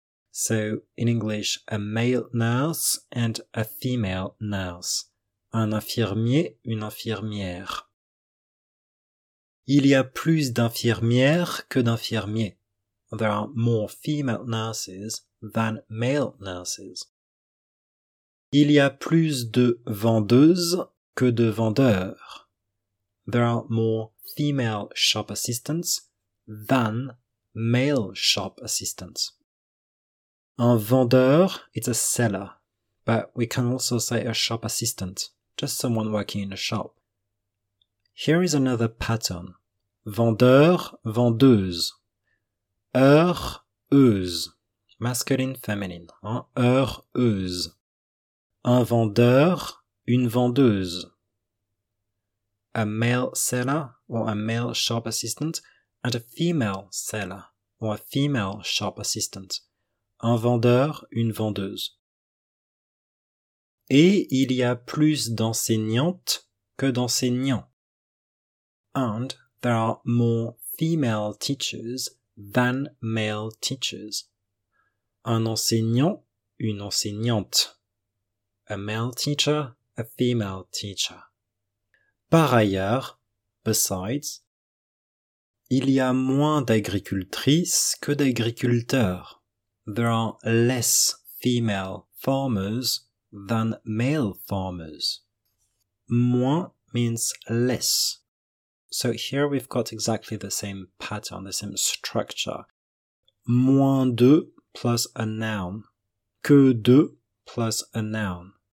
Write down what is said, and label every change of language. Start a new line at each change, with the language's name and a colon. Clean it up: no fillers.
English: So in English, a male nurse and a female nurse.
French: Un infirmier, une infirmière. Il y a plus d'infirmières que d'infirmiers.
English: There are more female nurses than male nurses.
French: Il y a plus de vendeuses que de vendeurs.
English: There are more female shop assistants than male shop assistants.
French: Un vendeur, it's
English: a seller, but we can also say a shop assistant, just someone working in a shop. Here is another pattern.
French: Vendeur, vendeuse. Heureuse.
English: Masculine, feminine.
French: Heureuse. Un vendeur, une vendeuse.
English: A male seller or a male shop assistant and a female seller or a female shop assistant.
French: Un vendeur, une vendeuse. Et il y a plus d'enseignantes que d'enseignants.
English: And there are more female teachers than male teachers.
French: Un enseignant, une enseignante.
English: A male teacher, a female teacher.
French: Par ailleurs, besides, il y a moins d'agricultrices que d'agriculteurs.
English: There are less female farmers than male farmers. Moins means less. So here we've got exactly the same pattern, the same structure.
French: Moins de
English: plus a noun.
French: Que de
English: plus a noun.